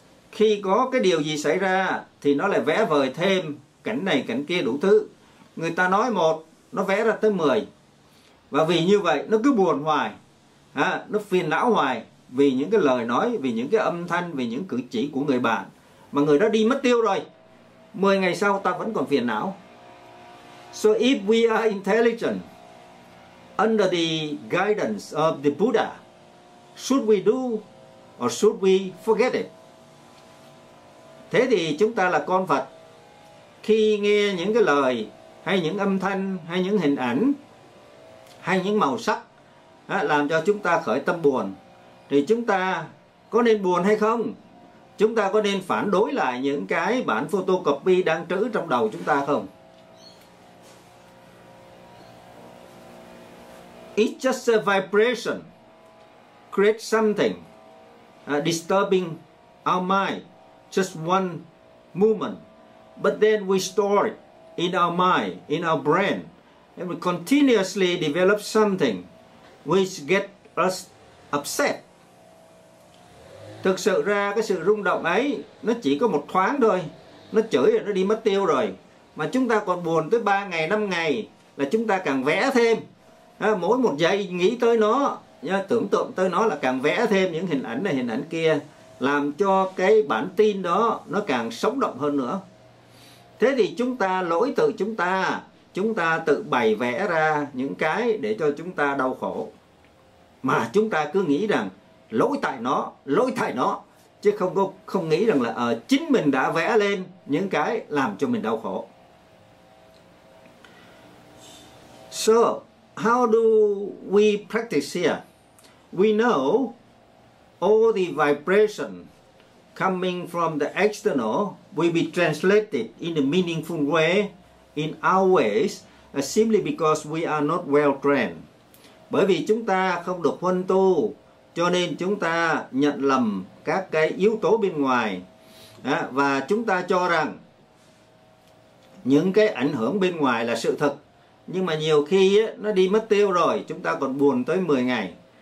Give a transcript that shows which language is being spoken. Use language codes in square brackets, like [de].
[vi] Khi có cái điều gì xảy ra thì nó lại vẽ vời thêm cảnh này cảnh kia đủ thứ. Người ta nói một nó vẽ ra tới 10. Và vì như vậy nó cứ buồn hoài, nó phiền não hoài vì những cái lời nói, vì những cái âm thanh, vì những cử chỉ của người bạn mà người đó đi mất tiêu rồi. 10 ngày sau ta vẫn còn phiền não. [en] So if we are intelligent under the guidance of the Buddha, should we do or should we forget it? [vi] Thế thì chúng ta là con Phật, khi nghe những cái lời hay những âm thanh hay những hình ảnh hay những màu sắc làm cho chúng ta khởi tâm buồn, thì chúng ta có nên buồn hay không? Chúng ta có nên phản đối lại những cái bản photocopy đang trữ trong đầu chúng ta không? [en] It's just a vibration create something disturbing our mind, just one movement, but then we store it in our mind, in our brain, and we continuously develop something which get us upset. [vi] Thực sự ra cái sự rung động ấy nó chỉ có một thoáng thôi, nó chửi rồi nó đi mất tiêu rồi, mà chúng ta còn buồn tới 3 ngày 5 ngày là chúng ta càng vẽ thêm. Mỗi một giây nghĩ tới nó, tưởng tượng tới nó là càng vẽ thêm những hình ảnh này hình ảnh kia, làm cho cái bản tin đó nó càng sống động hơn nữa. Thế thì chúng ta lỗi tự chúng ta tự bày vẽ ra những cái để cho chúng ta đau khổ. Mà chúng ta cứ nghĩ rằng lỗi tại nó, chứ không nghĩ rằng là chính mình đã vẽ lên những cái làm cho mình đau khổ. [en] So, how do we practice here? We know all the vibration coming from the external will be translated in a meaningful way in our ways simply because we are not well trained. [vi] Bởi vì chúng ta không được huân tu, cho nên chúng ta nhận lầm các cái yếu tố bên ngoài. Và chúng ta cho rằng những cái ảnh hưởng bên ngoài là sự thật. Nhưng mà nhiều khi nó đi mất tiêu rồi, chúng ta còn buồn tới 10 ngày.